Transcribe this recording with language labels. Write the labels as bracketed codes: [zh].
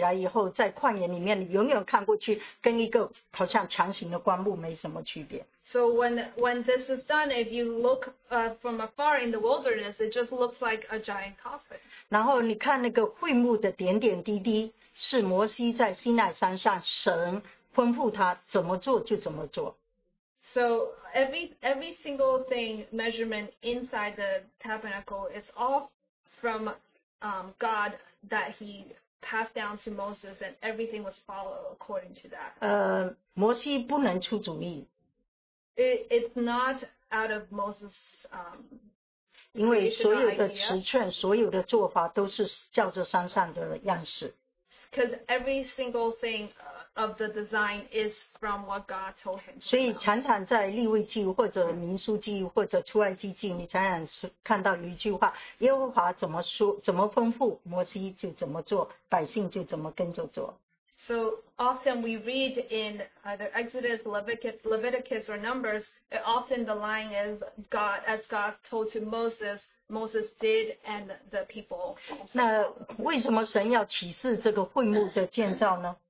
[zh] 然后这个整个会幕造起来以后，在旷野里面，你远远看过去， 跟一个好像强行的棺木没什么区别。 [en] So when this is done, if you look from afar in the wilderness, it just looks like a giant coffin. [zh] 然后你看那个会幕的点点滴滴，是摩西在西奈山上神吩咐他怎么做就怎么做。 [en] So every single thing measurement inside the tabernacle is all from God that he passed down to Moses, and everything was followed according to that. [zh] 摩西不能出主意。 [en] It's not out of Moses' [zh] 因为所有的尺寸, 所有的做法都是照着山上的样式。 [en] Because every single thing of the design is from what God told him. [zh] 所以常常在立位记或者民书记或者出埃及记, 你常常看到一句话, 耶和华怎么说怎么吩咐摩西就怎么做, 百姓就怎么跟着做。 [en] So often we read in either Exodus, Leviticus, or Numbers, often the line is God, as God told to Moses, Moses did, and the people. [zh] 那为什么神要启示这个会幕的建造呢？